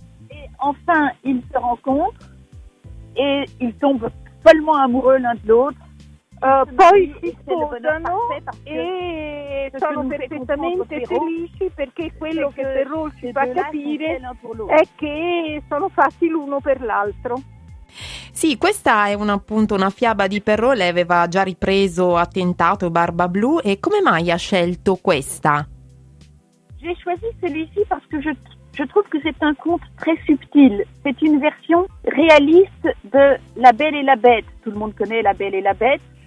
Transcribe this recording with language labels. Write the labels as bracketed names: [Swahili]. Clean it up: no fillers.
[French] E enfin ils se rencontrent e ils tombent follement amoureux l'un de l'autre. [Italian] Poi si sposano e sono perfettamente felici, perché quello che Perrault ci fa capire è che sono fatti l'uno per l'altro. Sì, questa è un, appunto, una fiaba di Perrault. Lei aveva già ripreso Attentato, Barba Blu, e come mai ha scelto questa? [French] J'ai choisi celui-ci parce que je trouve que c'est un conte très subtil. C'est une version réaliste de La Belle et la Bête. Tout le monde connaît La Belle et la Bête.